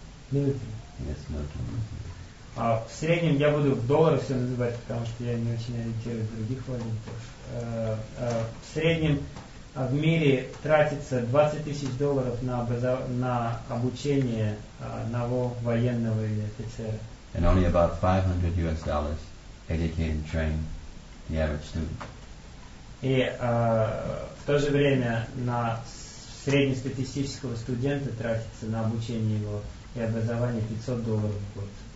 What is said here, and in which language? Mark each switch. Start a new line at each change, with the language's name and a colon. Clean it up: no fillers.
English: Military? Yes, military.
Russian: А в среднем я буду в долларах все называть, потому что я не очень ориентируюсь в других валютах. В среднем в мире тратится 20 тысяч долларов на обучение одного военного или офицера.
English: And only about $500 educate and train the average student.
Russian: И в то же время на среднестатистического студента тратится на обучение его и образование $500 в год.